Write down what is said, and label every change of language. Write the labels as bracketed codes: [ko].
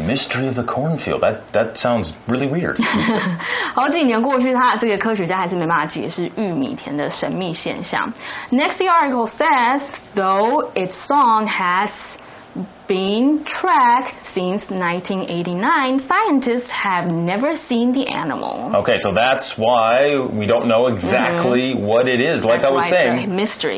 [en] Mystery of the cornfield, that sounds really weird. [zh] 好几年过去，他这个科学家还是没办法解释玉米田的神秘现象。 [en] Next the article says though its song hasBeen tracked since 1989, scientists have never seen the animal. Okay, so that's why we don't know exactly、mm-hmm. what it is. Like、 that's、 I was saying, it's a mystery.